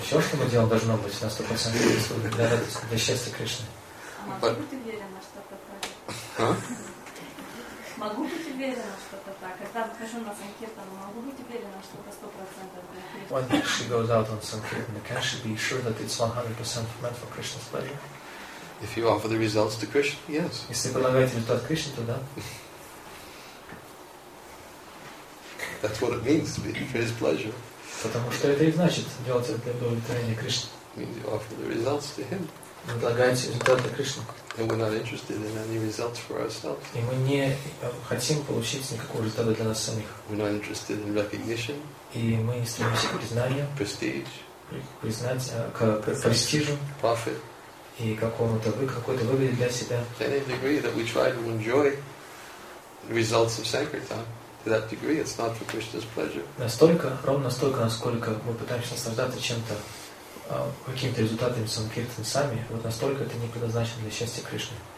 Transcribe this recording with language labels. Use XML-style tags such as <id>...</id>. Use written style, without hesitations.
<ru>Все, что мы делаем, должно быть 100% для радости, для счастья Кришны. Могу быть уверена, что это так. Могу быть уверена, что это так. Когда выхожу на Sankirtan, могу быть уверена, что это 100% для Кришны.</ru> <en>When she goes out on Sankirtan, can she be sure that it's 100% meant for Krishna's pleasure? If you offer the results to Krishna, yes.</en> <ru>Если предлагаете результат Кришне, то да.</ru> <en>That's what it means to be for His pleasure.</en> <ru>Потому что это и значит делать это для удовлетворения Кришны.</ru> <en>Means you offer the results to Him.</en> <ru>Предлагаете результаты Кришне.</ru> <en>And we're not interested in any results for ourselves.</en> <ru>И мы не хотим получить никакого результата для нас самих.</ru> <en>We're not interested in recognition.</en> <ru>И мы стремимся к признанию.</ru> <en>Prestige.</en> <ru>К престижу.</ru> <en>Profit.</en> <ru>И какой-то выгоды для себя.</ru> <en>To any degree that we try to enjoy the results of Sankirtan, to that degree it's not for Krishna's pleasure.</en> <ru>Настолько, ровно настолько, насколько мы пытаемся наслаждаться чем-то, какими-то результатами Санкиртан сами, вот настолько это не предназначено для счастья Кришны.</ru>